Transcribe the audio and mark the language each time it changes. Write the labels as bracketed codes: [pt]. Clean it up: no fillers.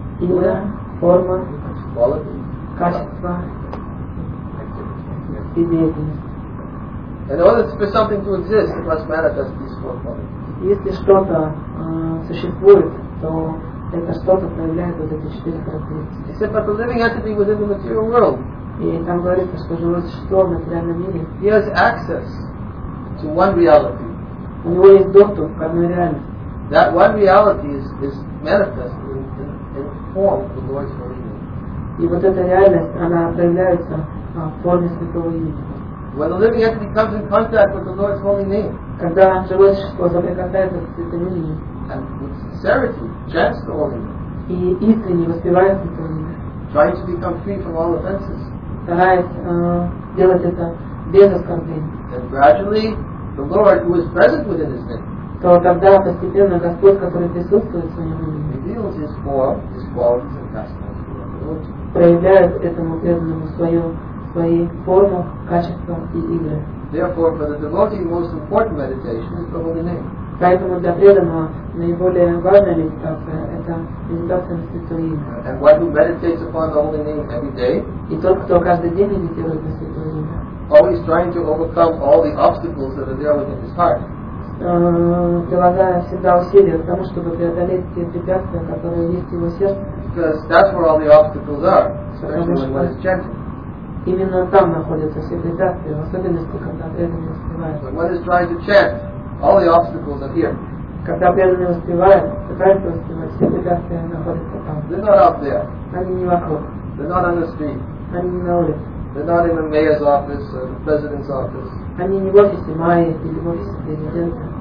[ru] Имя, форма. [en] Quality. [ru] Качество. [en] In order for something to exist, it must manifest these four qualities. [ru] Если что-то существует, то это что-то проявляет вот эти четыре характеристики. [en] Except that the living entity within the material world. [ru] И там говорится, что живое существо в материальном мире. [en] He has access to one reality. [ru] У него есть доступ к одной реальности. [en] That one reality is manifest in form of the Lord's holy name. [ru] И вот эта реальность, она проявляется. [en] When the living entity comes in contact with the Lord's holy name, [ru] когда живое существо соприкасается с святым именем, [en] and with sincerity chants the holy name, [ru] и искренне воспевает святое имя, [en] trying to become free from all offenses, [ru] стараясь делать это без оскорблений, [en] then gradually the Lord who is present within his name, [ru] то тогда постепенно Господь, который присутствует в своем имени, [en] reveals his form, his qualities and pastimes. [ru] Проявляет этому преданному свои формы, качества и игры. [en] Therefore, for the devotee, most important meditation is the holy name. [ru] Поэтому для преданного наиболее важная медитация – это медитация на святое имя. [en] And one who meditates upon the holy name every day. [ru] И тот, кто каждый день медитирует на святое имя. [en] Always trying to overcome all the obstacles that are there within his heart. [ru] Прилагая всегда усилия к тому, чтобы преодолеть те препятствия, которые есть в его сердце. [en] Because that's where all the obstacles are, especially when one is chanting. [ru] Именно там находятся все препятствия, в особенности, когда преданный воспевает. [en] When one is trying to chant, all the obstacles are here. [ru] когда преданный успевает, пытается успевать, все препятствия находятся там. [en] They're not up there. [ru] Они не вокруг. [en] They're not on the street. [ru] Они не на улице. [en] They're not in the mayor's office or the president's office. [ru] Они не в офисе мэра или в офисе президента.